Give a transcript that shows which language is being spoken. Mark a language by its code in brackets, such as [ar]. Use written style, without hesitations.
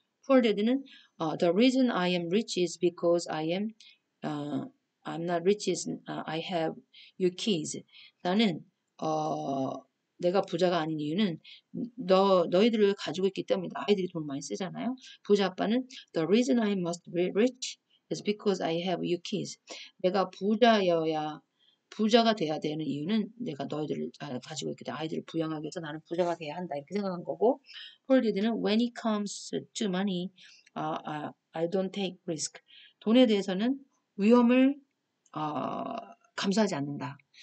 [en] Poor Dad는 the reason I am rich is because I'm not rich is I have you kids. [ko] 나는 내가 부자가 아닌 이유는 너희들을 가지고 있기 때문이다. 아이들이 돈 많이 쓰잖아요. 부자 아빠는 [en] The reason I must be rich is because I have you kids. [ko] 내가 부자가 돼야 되는 이유는 내가 너희들을 가지고 있기 때문에 아이들을 부양하기 위해서 나는 부자가 돼야 한다. 이렇게 생각한 거고, 폴리드는 [en] When it comes to money, I don't take risk. [ko] 돈에 대해서는 위험을 감수하지 않는다.